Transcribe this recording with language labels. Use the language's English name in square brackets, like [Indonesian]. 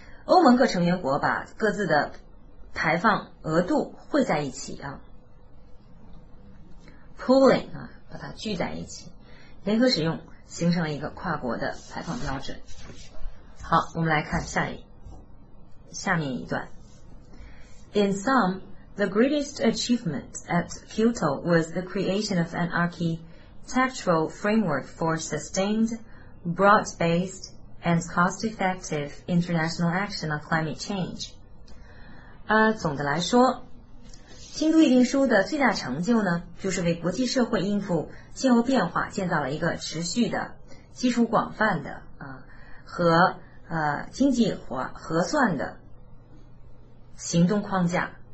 [Chinese] 欧盟各成员国把各自的排放额度汇在一起啊 ，pooling 啊，把它聚在一起，联合使用，形成了一个跨国的排放标准。好，我们来看下面一段。 [English] In sum, the greatest achievement at Kyoto was the creation of an architectural framework for sustained, broad-based, and cost-effective international action on climate change. [Chinese] 总的来说，京都议定书的最大成就呢，就是为国际社会应付气候变化建造了一个持续的、基础广泛的和经济合算的行动框架。